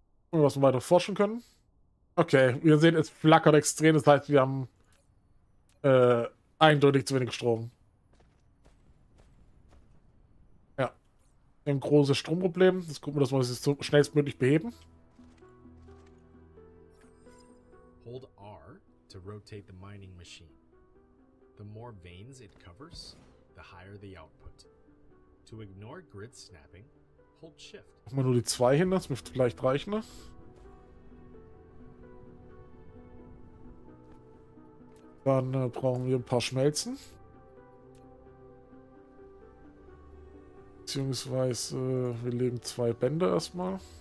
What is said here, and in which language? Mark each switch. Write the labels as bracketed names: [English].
[German] Und was wir weiter forschen können. Okay, wir sehen, es flackert extrem, das heißt, wir haben eindeutig zu wenig Strom. Ja. Wir haben ein großes Stromproblem. Das gucken wir, dass wir das jetzt so schnellstmöglich beheben. [English] Hold R to rotate the mining machine. The more veins it covers, the higher the output. To ignore grid snapping, hold shift. [German] Mach mal nur die zwei hin, das müsste vielleicht reichen. Dann brauchen wir ein paar Schmelzen. Beziehungsweise wir legen zwei Bänder erstmal.